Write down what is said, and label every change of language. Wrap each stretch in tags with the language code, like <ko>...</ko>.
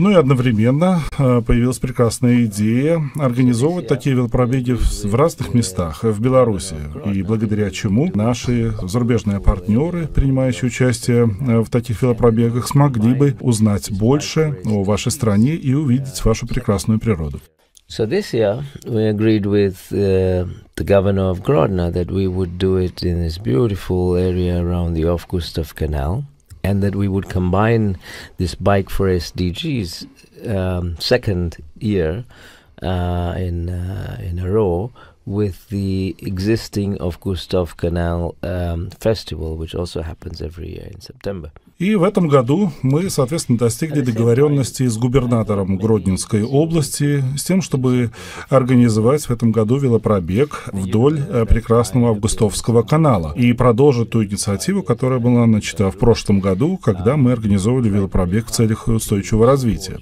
<ru>Ну и одновременно появилась прекрасная идея организовывать такие велопробеги в разных местах в Беларуси, и благодаря чему наши зарубежные партнеры, принимающие участие в таких велопробегах, смогли бы узнать больше о вашей стране и увидеть вашу прекрасную природу.</ru> <en>So this year we agreed with the governor of Grodno that we would do it in this beautiful area around the Ofgustov Canal, and that we would combine this Bike for SDGs second year in a row with the existing Ofgustov Canal festival, which also happens every year in September.</en> <ru>И в этом году мы, соответственно, достигли договоренности с губернатором Гродненской области с тем, чтобы организовать в этом году велопробег вдоль прекрасного Августовского канала и продолжить ту инициативу, которая была начата в прошлом году, когда мы организовали велопробег в целях устойчивого развития.</ru>